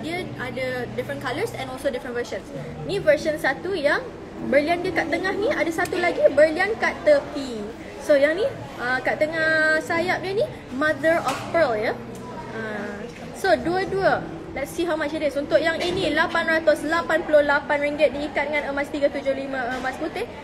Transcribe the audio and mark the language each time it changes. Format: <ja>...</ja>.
<ms>Dia ada</ms> <en>different colours and also different versions.</en> <ms>Ni version satu yang berlian dia kat tengah ni, ada satu lagi berlian kat tepi. So yang ni, kat tengah sayap dia ni, mother of pearl ya.</ms> <en>So</en> <ms>dua-dua,</ms> <en>let's see how much it is.</en> <ms>Untuk yang ini, RM888 diikat dengan emas 375 emas putih.</ms>